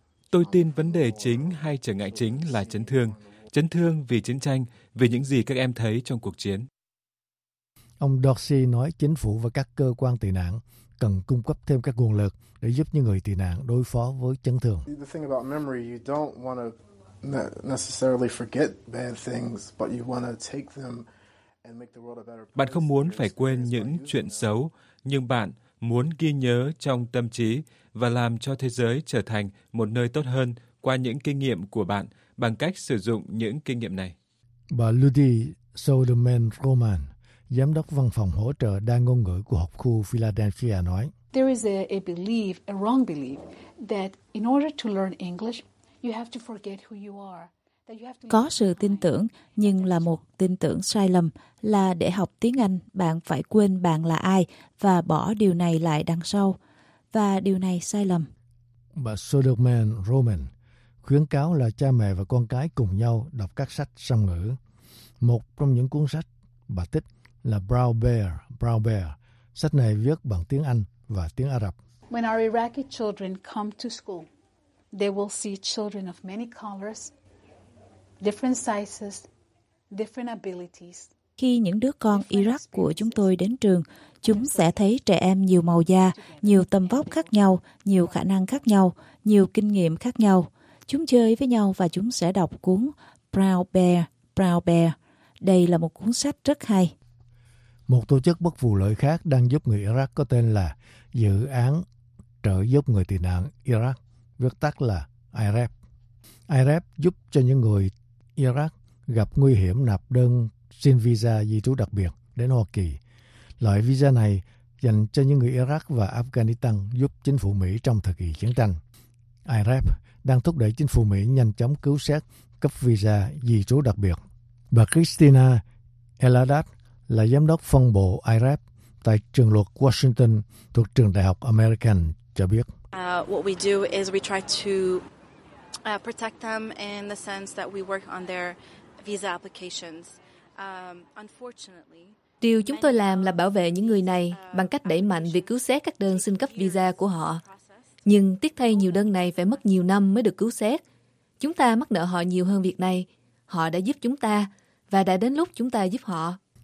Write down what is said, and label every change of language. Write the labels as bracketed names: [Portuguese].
[Vietnamese] tôi tin vấn đề chính hay trở ngại chính là chấn thương. Chấn thương vì chiến tranh, vì những gì các em thấy trong cuộc chiến. Ông Dorsey nói chính phủ và các cơ quan tị nạn cần cung cấp thêm các nguồn lực để giúp những người tị nạn đối phó với chấn thương. [English] The thing about memory, you don't want to necessarily forget bad things, but you want to take them. [Vietnamese] Bạn không muốn phải quên những chuyện xấu, nhưng bạn muốn ghi nhớ trong tâm trí và làm cho thế giới trở thành một nơi tốt hơn qua những kinh nghiệm của bạn bằng cách sử dụng những kinh nghiệm này. Bà Ludi Soderman Roman, giám đốc văn phòng hỗ trợ đa ngôn ngữ của học khu Philadelphia nói, [English] There is a belief, a wrong belief, that in order to learn English, you have to forget who you are. [Vietnamese] Có sự tin tưởng, nhưng là một tin tưởng sai lầm, là để học tiếng Anh, bạn phải quên bạn là ai và bỏ điều này lại đằng sau. Và điều này sai lầm. Bà Soderman Roman khuyến cáo là cha mẹ và con cái cùng nhau đọc các sách song ngữ. Một trong những cuốn sách bà thích là Brown Bear. Sách này viết bằng tiếng Anh và tiếng Ả Rập. [English] When our Iraqi children come to school, they will see children of many colors, different sizes, different abilities. [Vietnamese] Khi những đứa con Iraq của chúng tôi đến trường, chúng sẽ thấy trẻ em nhiều màu da, nhiều tầm vóc khác nhau, nhiều khả năng khác nhau, nhiều kinh nghiệm khác nhau. Chúng chơi với nhau và chúng sẽ đọc cuốn Brown Bear. Đây là một cuốn sách rất hay. Một tổ chức bất vụ lợi khác đang giúp người Iraq có tên là Dự án Trợ giúp người tị nạn Iraq, viết tắt là IRAP. IRAP giúp cho những người Iraq gặp nguy hiểm nạp đơn xin visa di trú đặc biệt đến Hoa Kỳ. Loại visa này dành cho những người Iraq và Afghanistan giúp chính phủ Mỹ trong thời kỳ chiến tranh. IRAP đang thúc đẩy chính phủ Mỹ nhanh chóng cứu xét cấp visa di trú đặc biệt. Bà Christina Eladat là giám đốc phân bộ IRAP tại trường luật Washington thuộc trường Đại học American cho biết. [English] What we do is we try to protect them in the sense that we work on their visa applications. Unfortunately, [Vietnamese] điều chúng tôi làm là bảo vệ những người này bằng cách đẩy mạnh việc cứu xét các đơn xin cấp visa của họ. Nhưng tiếc thay, nhiều đơn này phải mất nhiều năm mới được cứu xét. Chúng ta mắc nợ họ nhiều hơn việc này. Họ đã giúp chúng ta và đã đến lúc chúng ta giúp họ.